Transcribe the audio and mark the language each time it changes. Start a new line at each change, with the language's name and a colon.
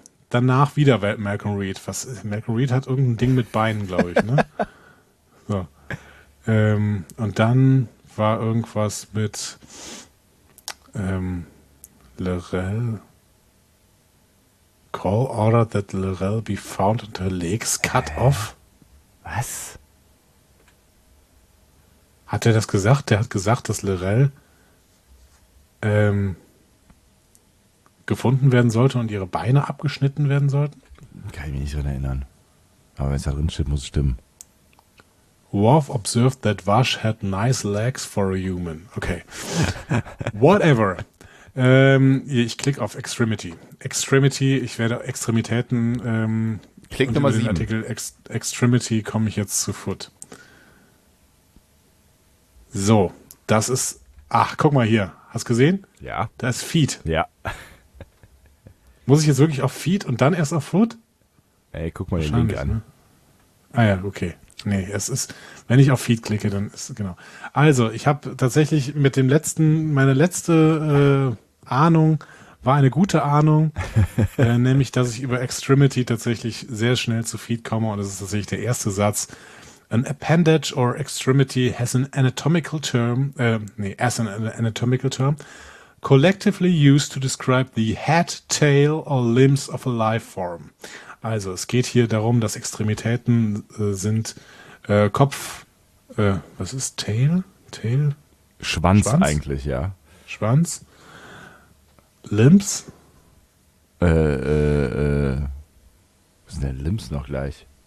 German: Danach wieder Malcolm Reed. Was? Malcolm Reed hat irgendein Ding mit Beinen, glaube ich, ne? So. Und dann war irgendwas mit Lorel.
English: Call order that Lorel be found and her legs cut off.
German: Was? Hat er das gesagt? Der hat gesagt, dass Lorel gefunden werden sollte und ihre Beine abgeschnitten werden sollten? Kann ich mich nicht daran erinnern. Aber wenn es da drin steht, muss es stimmen.
English: Worf observed that Vash had nice legs for a human. Okay. Whatever.
German: Ich klicke auf Extremity. Extremity, ich werde Extremitäten klick Nummer 7. Artikel Extremity komme ich jetzt zu Foot. So, das ist... Ach, guck mal hier. Hast du gesehen? Ja. Da ist Feet. Ja. Muss ich jetzt wirklich auf Feet und dann erst auf Foot? Ey, guck mal den Link an. Ne? Ah ja, okay. Nee, es ist, wenn ich auf Feed klicke, dann ist, genau. Also, ich habe tatsächlich meine letzte Ahnung war eine gute Ahnung, nämlich, dass ich über Extremity tatsächlich sehr schnell zu Feed komme und das ist tatsächlich der erste Satz.
English: An appendage or extremity has an anatomical term, as an anatomical term, collectively used to describe the head, tail or limbs of a life form.
German: Also es geht hier darum, dass Extremitäten sind Kopf, was ist Tail? Tail? Schwanz eigentlich, ja. Schwanz. Limbs? Was sind denn Limbs noch gleich?